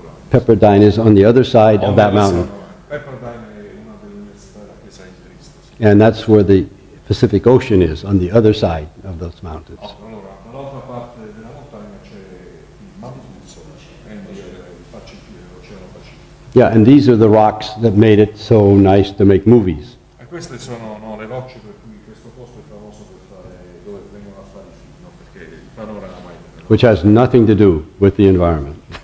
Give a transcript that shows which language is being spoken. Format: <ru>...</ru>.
<en>Pepperdine is on the other side of that mountain.</en> <it>Pepperdine è una delle università della Chiesa di Cristo.</it> <en>And that's where the Pacific Ocean is, on the other side of those mountains.</en> <it>Oh, allora, dall'altra parte della montagna c'è il Mar del Sole, and il Pacifico, l'Oceano Pacifico.</it> <en>Yeah, and these are the rocks that made it so nice to make movies.</en> <it>E queste sono, no, le rocce per cui questo posto è famoso per fare, dove vengono a fare i film, no, perché il panorama è...</it> <en>Which has nothing to do with the environment.</en>